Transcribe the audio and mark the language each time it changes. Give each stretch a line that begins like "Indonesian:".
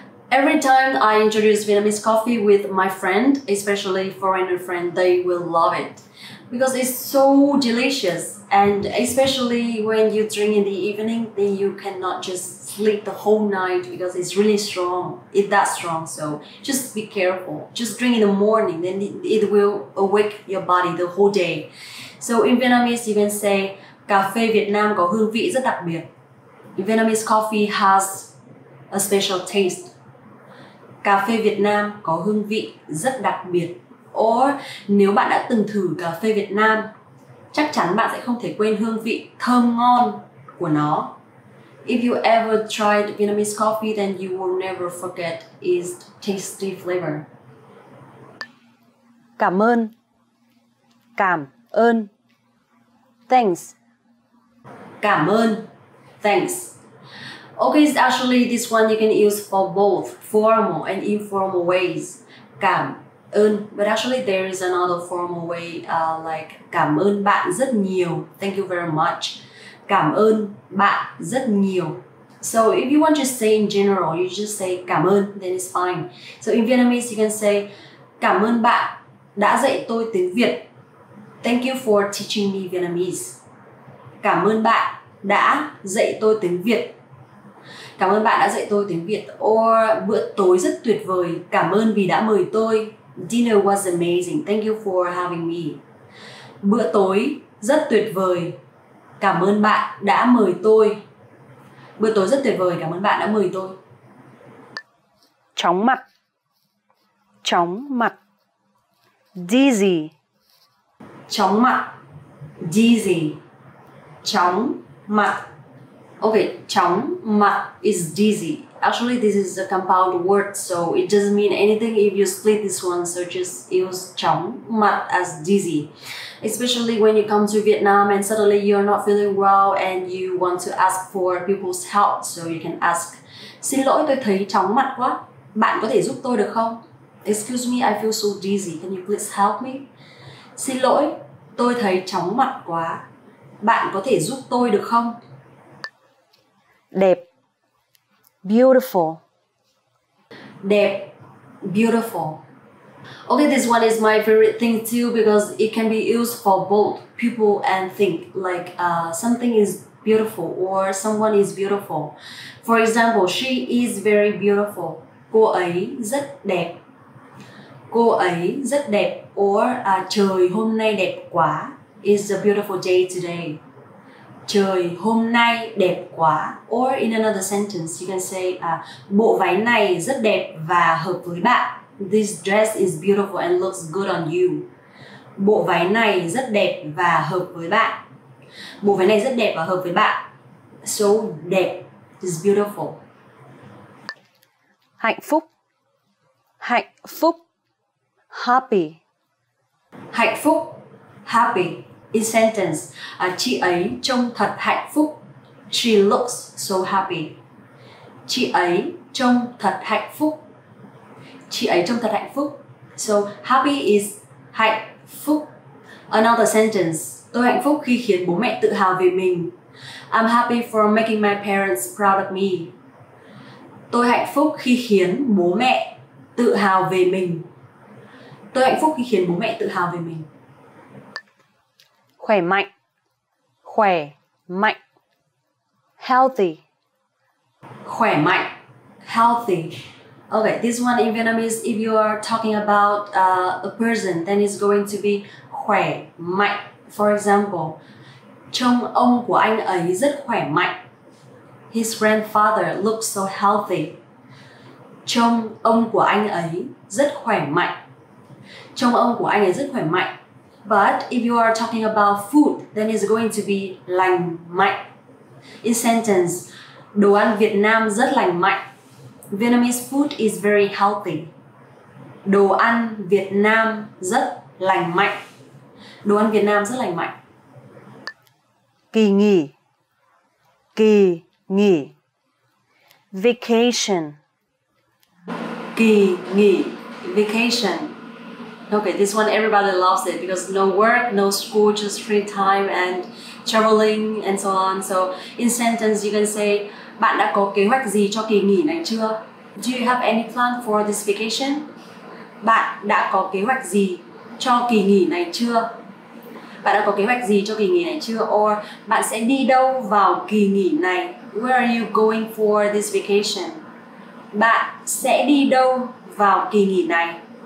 English: Every time I introduce Vietnamese coffee with my friend, especially foreigner friend, they will love it because it's so delicious. And especially when you drink in the evening, then you cannot just sleep the whole night because it's really strong. It's that strong. So just be careful. Just drink in the morning, then it will awake your body the whole day. So in Vietnamese, you can say,
Vietnamese: cà phê Việt Nam có hương vị rất đặc biệt.
English: Vietnamese coffee has a special taste.
Vietnamese: Cà phê Việt Nam có hương vị rất đặc biệt.
English: Or
Vietnamese: nếu bạn đã từng thử cà phê Việt Nam, chắc chắn bạn sẽ không thể quên hương vị thơm ngon của nó.
English: If you ever tried Vietnamese coffee, then you will never forget its tasty flavor.
Vietnamese: Cảm ơn. Cảm ơn.
English: Thanks.
Vietnamese: Cảm ơn.
English: Thanks. Okay, it's actually this one you can use for both formal and informal ways.
Vietnamese: Cảm ơn.
English: But actually there is another formal way like
Vietnamese: cảm ơn bạn rất nhiều.
English: Thank you very much.
Vietnamese: Cảm ơn bạn rất nhiều.
English: So if you want to say in general, you just say cảm ơn, then it's fine. So in Vietnamese, you can say
Vietnamese: cảm ơn bạn đã dạy tôi tiếng Việt.
English: Thank you for teaching me Vietnamese.
Vietnamese: Cảm ơn bạn đã dạy tôi tiếng Việt. Cảm ơn bạn đã dạy tôi tiếng Việt.
English: Or
Vietnamese: bữa tối rất tuyệt vời. Cảm ơn vì đã mời tôi.
English: Dinner was amazing. Thank you for having me.
Vietnamese: Bữa tối rất tuyệt vời. Cảm ơn bạn đã mời tôi. Bữa tối rất tuyệt vời. Cảm ơn bạn đã mời tôi. Chóng mặt. Chóng mặt.
English: Dizzy.
Vietnamese: Chóng mặt.
English: Dizzy.
Vietnamese: Chóng mặt.
English: Okay, chóng mặt is dizzy. Actually, this is a compound word, so it doesn't mean anything if you split this one. So just use chóng mặt as dizzy. Especially when you come to Vietnam and suddenly you're not feeling well and you want to ask for people's help. So you can ask,
Vietnamese: xin lỗi tôi thấy chóng mặt quá. Bạn có thể giúp tôi được không?
English: Excuse me, I feel so dizzy. Can you please help me?
Vietnamese: Xin lỗi, tôi thấy chóng mặt quá. Bạn có thể giúp tôi được không? Đẹp,
English: beautiful.
Vietnamese: Đẹp,
English: beautiful. Okay, this one is my favorite thing too because it can be used for both people and thing. Like something is beautiful or someone is beautiful. For example, she is very beautiful.
Vietnamese: Cô ấy rất đẹp. Cô ấy rất đẹp.
English: Or
Vietnamese: trời hôm nay đẹp quá.
English: It's a beautiful day today.
Vietnamese: Trời hôm nay đẹp quá.
English: Or in another sentence, you can say
Vietnamese: bộ váy này rất đẹp và hợp với bạn.
English: This dress is beautiful and looks good on you.
Vietnamese: Bộ váy này rất đẹp và hợp với bạn. Bộ váy này rất đẹp và hợp với bạn.
English: So đẹp is beautiful.
Vietnamese: Hạnh phúc. Hạnh phúc.
English: Happy.
Vietnamese: Hạnh phúc.
English: Happy. In sentence,
Vietnamese: chị ấy trông thật hạnh phúc.
English: She looks so happy.
Vietnamese: Chị ấy trông thật hạnh phúc. Chị ấy trông thật hạnh phúc.
English: So happy is
Vietnamese: hạnh phúc.
English: Another sentence,
Vietnamese: tôi hạnh phúc khi khiến bố mẹ tự hào về mình.
English: I'm happy for making my parents proud of me.
Vietnamese: Tôi hạnh phúc khi khiến bố mẹ tự hào về mình. Tôi hạnh phúc khi khiến bố mẹ tự hào về mình. Khỏe mạnh. Khỏe mạnh.
English: Healthy.
Vietnamese: Khỏe mạnh.
English: Healthy. Okay, this one in Vietnamese, if you are talking about a person, then it's going to be khỏe mạnh. For example,
Vietnamese: trông ông của anh ấy rất khỏe mạnh.
English: His grandfather looks so healthy.
Vietnamese: Trông ông của anh ấy rất khỏe mạnh. Trông ông của anh ấy rất khỏe mạnh.
English: But if you are talking about food, then it's going to be lành mạnh. In sentence,
Vietnamese: đồ ăn Việt Nam rất lành mạnh.
English: Vietnamese food is very healthy.
Vietnamese: Đồ ăn Việt Nam rất lành mạnh. Đồ ăn Việt Nam rất lành mạnh. Kỳ nghỉ. Kỳ nghỉ.
English: Vacation.
Vietnamese: Kỳ nghỉ.
English: Vacation. Okay, this one everybody loves it because no work, no school, just free time and traveling and so on. So in sentence you can say,
Vietnamese: bạn đã có kế hoạch gì cho kỳ nghỉ này chưa?
English: Do you have any plan for this vacation?
Vietnamese: Bạn đã có kế hoạch gì cho kỳ nghỉ này chưa? Bạn đã có kế hoạch gì cho kỳ nghỉ này chưa?
English: Or
Vietnamese: bạn sẽ đi đâu vào kỳ nghỉ này?
English: Where are you going for this vacation?
Vietnamese: Bạn sẽ đi đâu vào kỳ nghỉ này?